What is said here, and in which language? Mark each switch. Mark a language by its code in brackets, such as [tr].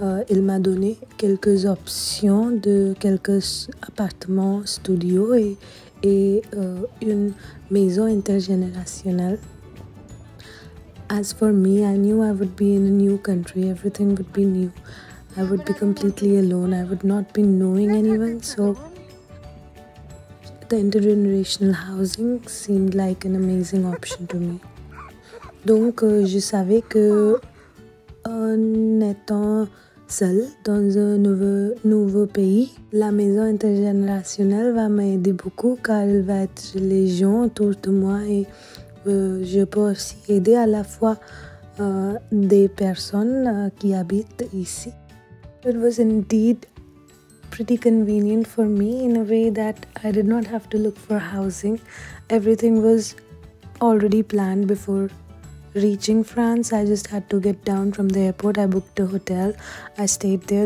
[fr] Il m'a donné quelques options de quelques appartements studios et une maison intergénérationnelle. [en] As for me, I knew I would be in a new country, everything would be new. I would be completely alone, I would not be knowing anyone, so the intergenerational housing seemed like an amazing option to me. [fr] Donc, je savais que en étant seule dans un nouveau pays, la maison intergénérationnelle va m'aider beaucoup car elle va être les gens autour de moi et je peux aussi aider à la fois des personnes qui habitent ici. [en] It was indeed pretty convenient for me in a way that I did not have to look for housing. Everything was already planned before reaching France. I just had to get down from the airport. I booked a hotel. I stayed there.